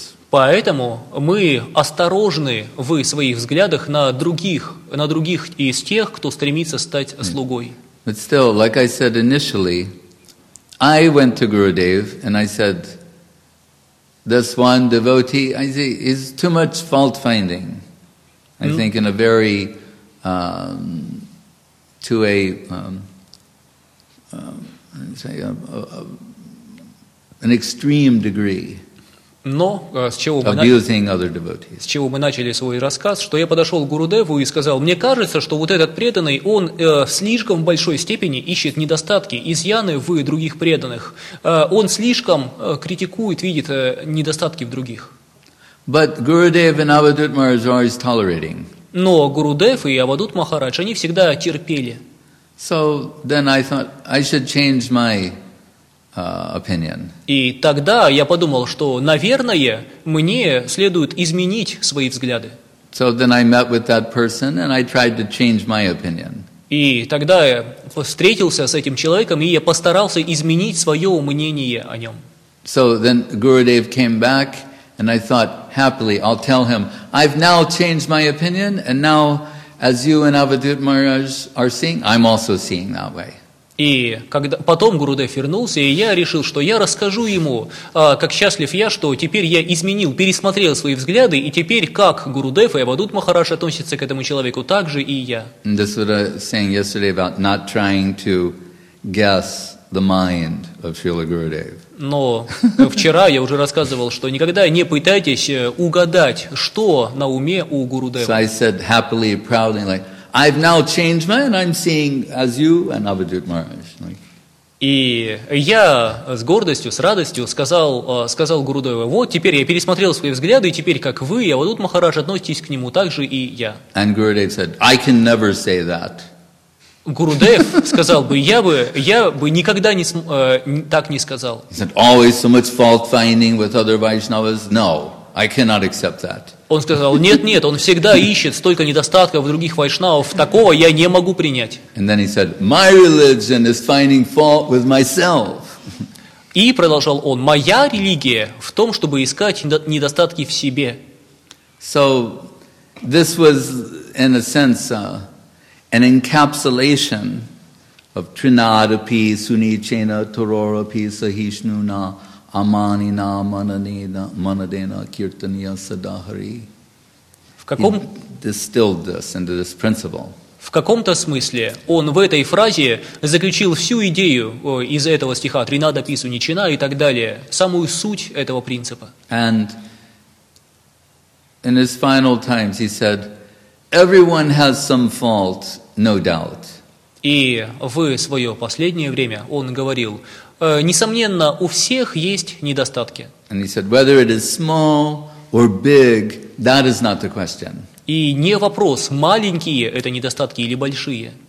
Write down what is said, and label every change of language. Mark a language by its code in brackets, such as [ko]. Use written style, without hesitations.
[ru] Поэтому мы осторожны в своих взглядах на других из тех, кто стремится стать слугой. [en] But still, like I said initially, I went to Gurudev and I said, this one devotee, I see, is too much fault finding. I think in a very an extreme degree. [ru] Но с чего мы начали? С чего мы начали свой рассказ, что я подошел к Гурудеву и сказал: мне кажется, что вот этот преданный, он в слишком большой степени ищет недостатки, изъяны в других преданных. Он слишком критикует, видит недостатки в других. [en] But Gurudev and Avadhut Maharaj are always tolerating. [ru] Но Гурудев и Авадут Махарадж, они всегда терпели. [en] So then I thought I should change my opinion. [ru] И тогда я подумал, что, наверное, мне следует изменить свои взгляды. [en] So then I met with that person and I tried to change my opinion. [ru] И тогда я встретился с этим человеком, и я постарался изменить свое мнение о нем. [en] So then Gurudev came back and I thought happily, I'll tell him, I've now changed my opinion and now, as you and Avadhut Maharaj are seeing, I'm also seeing that way. [ru] И когда, потом Гурудев вернулся, и я решил, что я расскажу ему, как счастлив я, что теперь я изменил, пересмотрел свои взгляды, и теперь как Гурудев и Авадут Махарадж относятся к этому человеку, так же и я. [en] This is what I was saying yesterday about not trying to guess the mind of Srila Gurudev. [ru] Но вчера я уже рассказывал, что никогда не пытайтесь угадать, что на уме у Гурудева. [en] So I said happily, proudly, like, I've now changed my mind, I'm seeing as you and Avadhut Maharaj. [ru] И я с гордостью, с радостью сказал Гурудеву: вот теперь я пересмотрел свои взгляды, и теперь как вы, Авадут Махарадж, относитесь к нему, так же и я. [en] And Gurudev said, I can never say that. [ru] Гурудев сказал бы, я бы никогда не так не сказал. [en] He said, always so much fault finding with other Vaishnavas. No, I cannot accept that. [ru] Он сказал: нет, он всегда ищет столько недостатков в других вайшнавов, такого я не могу принять. [en] And then he said, my religion is finding fault with myself. [ru] И продолжал он: моя религия в том, чтобы искать недостатки в себе. [en] So this was in a sense an encapsulation of [sa] Trinadapi, Sunichena, Tororapi, Sahishnuna, Аманина, Аманадена, Манадена, Киртания, Садахари. [en] Distilled this into this principle. [ru] В каком-то смысле он в этой фразе заключил всю идею из этого стиха Тринада, Пису, Ничина и так далее, самую суть этого принципа. [en] And in his final times he said, everyone has some fault, no doubt. [ru] И в свое последнее время он говорил: несомненно, у всех есть недостатки. [en] And he said, whether it is small or big, that is not the question. [ru] И не вопрос, маленькие это недостатки или большие.